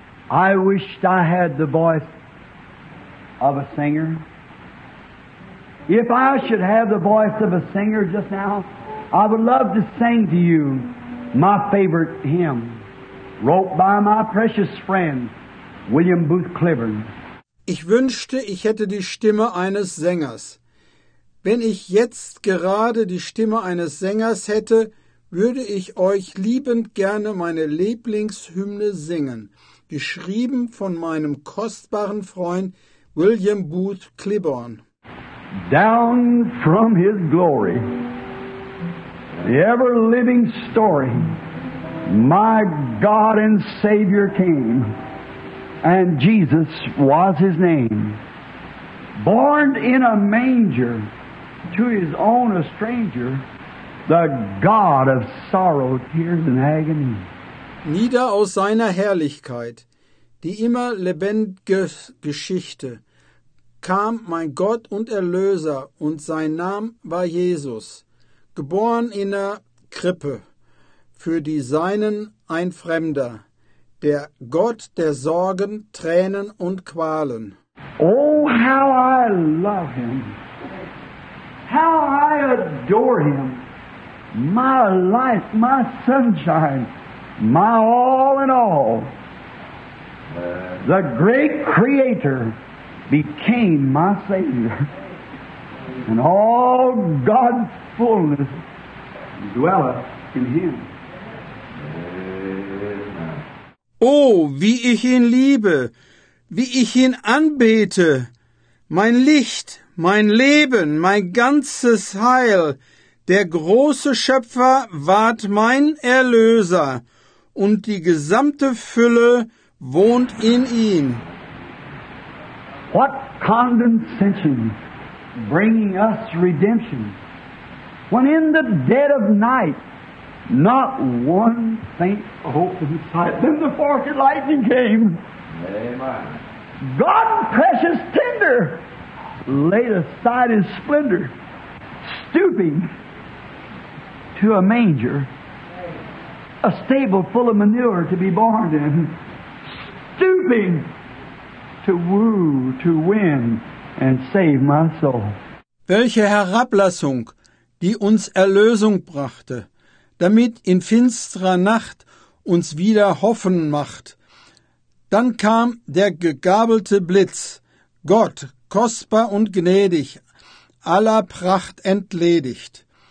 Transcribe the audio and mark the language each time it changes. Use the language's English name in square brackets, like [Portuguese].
[English] I wished I had the voice of a singer. If I should have the voice of a singer just now, I would love to sing to you my favorite hymn, wrote by my precious friend, William Booth Cliburn. [German] Ich wünschte, ich hätte die Stimme eines Sängers. Wenn ich jetzt gerade die Stimme eines Sängers hätte, würde ich euch liebend gerne meine Lieblingshymne singen, geschrieben von meinem kostbaren Freund William Booth Cliburn. [English] Down from his glory, the ever-living story, my God and Savior came, and Jesus was his name. Born in a manger to his own a stranger, the God of sorrow, tears and agony. [German] Nieder aus seiner Herrlichkeit, die immer lebendige Geschichte, kam mein Gott und Erlöser, und sein Name war Jesus, geboren in der Krippe, für die Seinen ein Fremder, der Gott der Sorgen, Tränen und Qualen. [English] Oh, how I love him, how I adore him, my life, my sunshine, my all in all. The great Creator became my Savior, and all God's fullness dwelleth in Him. [German] Oh, wie ich ihn liebe, wie ich ihn anbete, mein Licht, mein Leben, mein ganzes Heil. Der große Schöpfer ward mein Erlöser, und die gesamte Fülle wohnt in ihm. [English] What condescension bringing us redemption, when in the dead of night not one faint hope in sight. Then the fork of lightning came. Amen. God precious tender laid aside his splendor, stooping to a manger, a stable full of manure to be born in, stooping to woo, to win and save my soul. [German] Welche Herablassung, die uns Erlösung brachte, damit in finsterer Nacht uns wieder hoffen macht. Dann kam der gegabelte Blitz, Gott, kostbar und gnädig, aller Pracht entledigt.